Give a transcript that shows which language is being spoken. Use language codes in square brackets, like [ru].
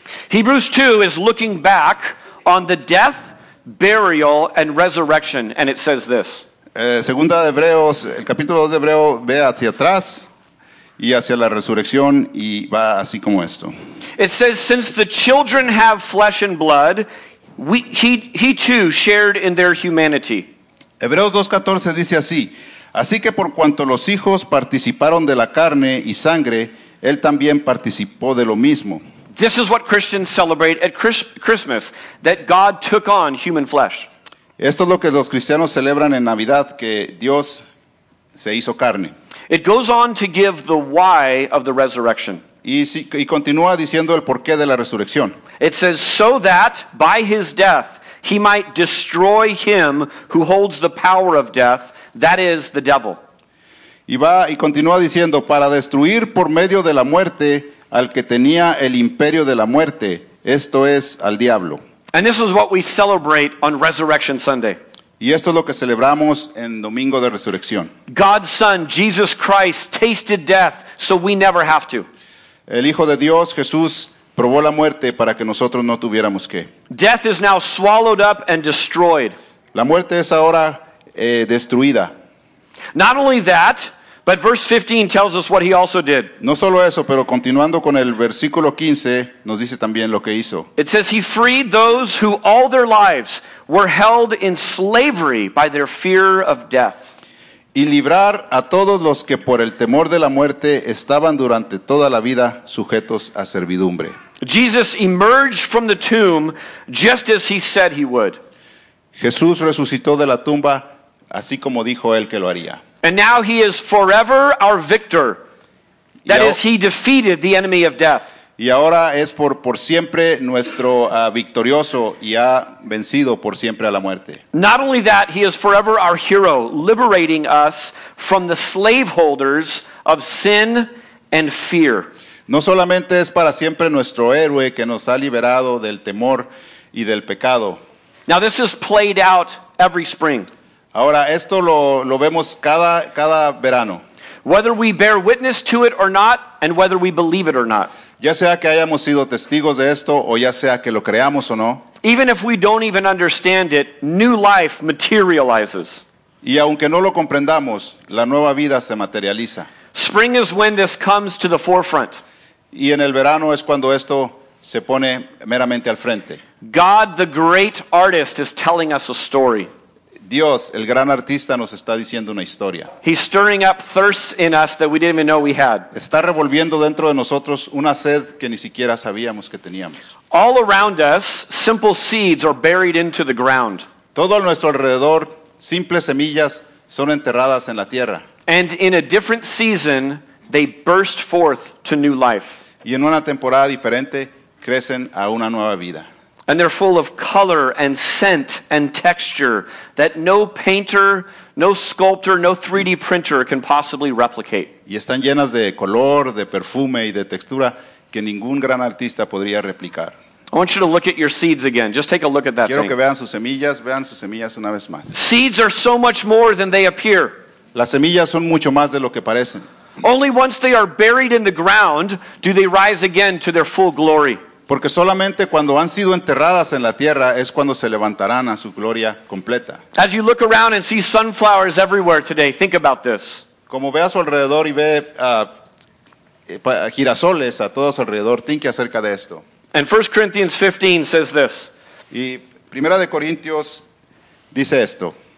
[en] Hebrews 2 is looking back on the death, burial, and resurrection, and it says this. [es] Segunda de Hebreos, el capítulo 2 de Hebreos ve hacia atrás y hacia la resurrección y va así como esto. [en] It says, since the children have flesh and blood, he too shared in their humanity. [es] Hebreos 2:14 dice así, así que por cuanto los hijos participaron de la carne y sangre, él también participó de lo mismo. [en] This is what Christians celebrate at Christmas, that God took on human flesh. [es] Esto es lo que los cristianos celebran en Navidad, que Dios se hizo carne. [en] It goes on to give the why of the resurrection. [es] Y continúa diciendo el porqué de la resurrección. [en] It says, so that by his death he might destroy him who holds the power of death, that is, the devil. [es] Y continúa diciendo, para destruir por medio de la muerte al que tenía el imperio de la muerte, esto es, al diablo. [en] And this is what we celebrate on Resurrection Sunday. [es] Y esto es lo que celebramos en Domingo de Resurrección. [en] God's Son, Jesus Christ, tasted death so we never have to. [es] El Hijo de Dios, Jesús, probó la muerte para que nosotros no tuviéramos que. [en] Death is now swallowed up and destroyed. [es] La muerte es ahora destruida. [en] Not only that, but verse 15 tells us what he also did. [es] No solo eso, pero continuando con el versículo 15, nos dice también lo que hizo. [en] It says he freed those who all their lives were held in slavery by their fear of death. [es] Y librar a todos los que por el temor de la muerte estaban durante toda la vida sujetos a servidumbre. [en] Jesus emerged from the tomb just as he said he would. [es] Jesús resucitó de la tumba así como dijo él que lo haría. [en] And now he is forever our victor. That is, he defeated the enemy of death. [es] Y ahora es por siempre nuestro victorioso y ha vencido por siempre a la muerte. [en] Not only that, he is forever our hero, liberating us from the slaveholders of sin and fear. [es] No solamente es para siempre nuestro héroe que nos ha liberado del temor y del pecado. [en] Now this is played out every spring. [es] Ahora, esto lo vemos cada verano. [en] whether we bear witness to it or not, and whether we believe it or not. [es] Ya sea que hayamos sido testigos de esto, o ya sea que lo creamos o no. [en] Even if we don't even understand it, new life materializes. [es] Y aunque no lo comprendamos, la nueva vida se materializa. [en] Spring is when this comes to the forefront. [es] Y en el verano es cuando esto se pone meramente al frente. [en] God, the great artist, is telling us a story. [es] Dios, el gran artista, nos está diciendo una historia. [en] He's stirring up thirsts in us that we didn't even know we had. [es] Está revolviendo dentro de nosotros una sed que ni siquiera sabíamos que teníamos. [en] All around us, simple seeds are buried into the ground. [es] Todo a nuestro alrededor, simples semillas son enterradas en la tierra. [en] And in a different season, they burst forth to new life. [es] Y en una temporada diferente, crecen a una nueva vida. [en] And they're full of color and scent and texture that no painter, no sculptor, no 3D printer can possibly replicate. [es] Y están llenas de color, de perfume y de textura que ningún gran artista podría replicar. [en] I want you to look at your seeds again. Just take a look at that thing. [es] Quiero que vean sus semillas. Vean sus semillas una vez más. [en] Seeds are so much more than they appear. [es] Las semillas son mucho más de lo que parecen. [en] Only once they are buried in the ground do they rise again to their full glory. [es] Porque solamente cuando han sido enterradas en la tierra es cuando se levantarán a su gloria completa. [en] As you look around and see sunflowers everywhere today, think about this. [es] Como ve a su alrededor y ve girasoles a todo su alrededor, [en] think [es] acerca de esto. [en] And 1 Corinthians 15 says this. [es] Y Primera de Corintios dice esto.